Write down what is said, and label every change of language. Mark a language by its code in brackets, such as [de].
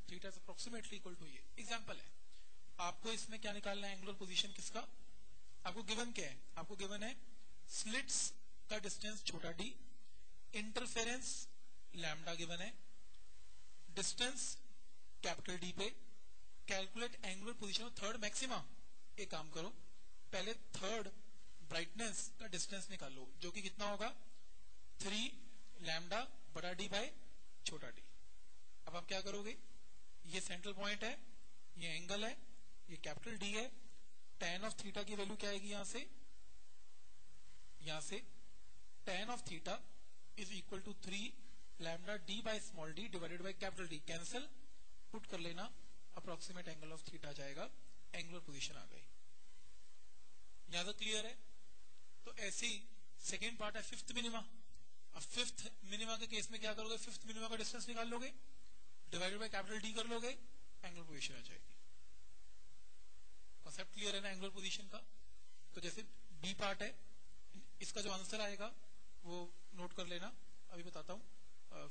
[en] theta is approximately equal to [ur] یہ example ہے. آپ کو اس میں کیا نکالنا ہے, اینگولر پوزیشن کس کا آپ کو گیون کیا ہے؟ آپ کو گیون ہے سلٹس کا ڈسٹینس چھوٹا ڈی, انٹرفیئرنس لیمڈا گیون ہے, ڈسٹینس کیپٹل ڈی پہ. [en] Calculate angular position of third maxima. [ur] ایک کام کرو, پہلے تھرڈ برائٹنس کا ڈسٹینس نکال لو جو کہ کتنا ہوگا 3 لیمڈا بڑا ڈی بائی چھوٹا ڈی. اب آپ کیا کرو گے, یہ سینٹرل پوائنٹ ہے, یہ اینگل ہے, یہ کیپٹل ڈی ہے, [en] Tan of theta کی value کیا آئے گی یہاں سے, یہاں سے tan of theta is equal to 3 lambda D by small d divided by capital D. [ur] Cancel, پٹ کر لینا, [en] approximate angle of theta [ur] جائے گا, اینگولر پوزیشن آ گئی. یہاں تک کلیئر ہے؟ تو ایسی سیکنڈ پارٹ ہے ففتھ منیما. اب ففتھ منیما کے کیس میں کیا کرو گے, ففتھ منیما کا ڈسٹینس نکال لو گے, ڈیوائڈیڈ بائی کیپٹل ڈی کر لو گے, اینگولر پوزیشن آ جائے گی. کانسیپٹ کلیئر ہے نا اینگولر پوزیشن کا؟ تو جیسے بی پارٹ ہے, اس کا جو آنسر آئے گا وہ نوٹ کر لینا, ابھی بتاتا ہوں.